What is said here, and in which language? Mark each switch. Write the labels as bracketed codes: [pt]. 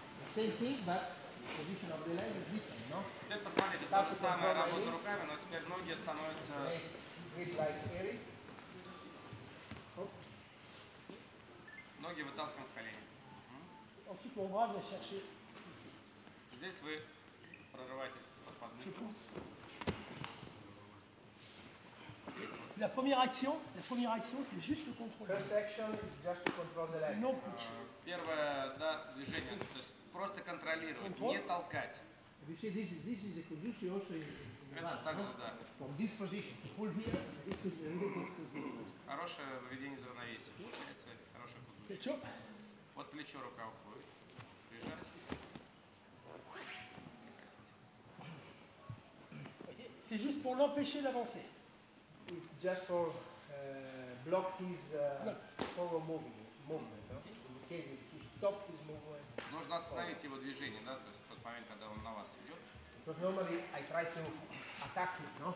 [en] Same thing, but position of the leg is different, no? [ru] Теперь посмотрите, та же самая работа руками, но теперь ноги становятся... Ноги выталкивают колени. Здесь вы прорываетесь под подмышку. [fr] La première action, c'est juste le contrôle. [en] First action is just to control the leg. No push. [ru] Первое, да, движение, то есть просто контролировать, control. Не толкать. [en] You see, this is a position also in this position. Pull here, this is a really good position. [ru] Хорошее выведение из равновесия получается, хорошее position. Плечо. Вот плечо, рука уходит. Прижать. [fr] C'est juste pour l'empêcher d'avancer. [en] It's just for block his forward movement. In this case, it's too stop his movement. [ru] Нужно остановить его движение, да, то есть тот момент, когда он на вас идет. [en] But normally I try to attack him, no?